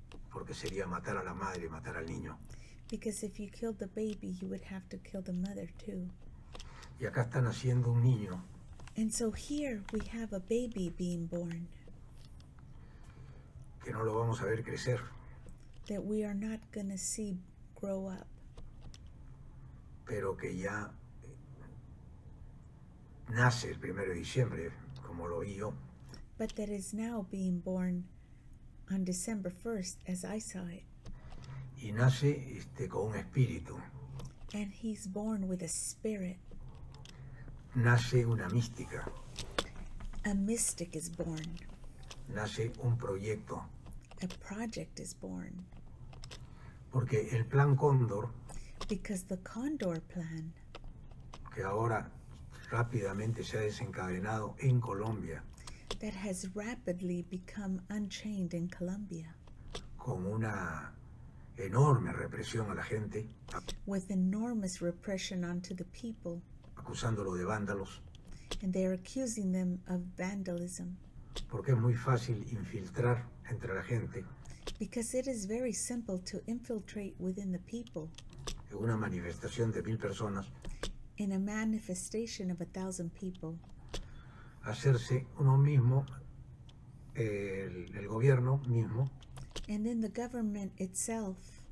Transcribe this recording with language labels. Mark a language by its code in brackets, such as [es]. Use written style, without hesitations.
[es] Porque sería matar a la madre y matar al niño. [en] Because if you killed the baby, you would have to kill the mother too. [es] Y acá está naciendo un niño. [en] And so here we have a baby being born. [es] Que no lo vamos a ver crecer. [en] That we are not going to see grow up. [es] Pero que ya nace el 1 de diciembre, como lo oí yo. [en] But that is now being born on December 1st, as I saw it. [es] Y nace con un espíritu. [en] And he's born with a spirit. [es] Nace una mística. [en] A mystic is born. [es] Nace un proyecto. [en] A project is born. [es] Porque el plan Cóndor, [en] because the Condor plan, [es] que ahora rápidamente se ha desencadenado en Colombia, [en] that has rapidly become unchained in Colombia, [es] con una enorme represión a la gente, [en] with enormous repression onto the people, [es] acusándolo de vándalos, [en] and they are accusing them of vandalism, [es] porque es muy fácil infiltrar entre la gente, [en] because it is very simple to infiltrate within the people, [es] en una manifestación de 1,000 personas, [en] in a manifestation of 1,000 people, [es] hacerse uno mismo el gobierno mismo, [en] and then the government itself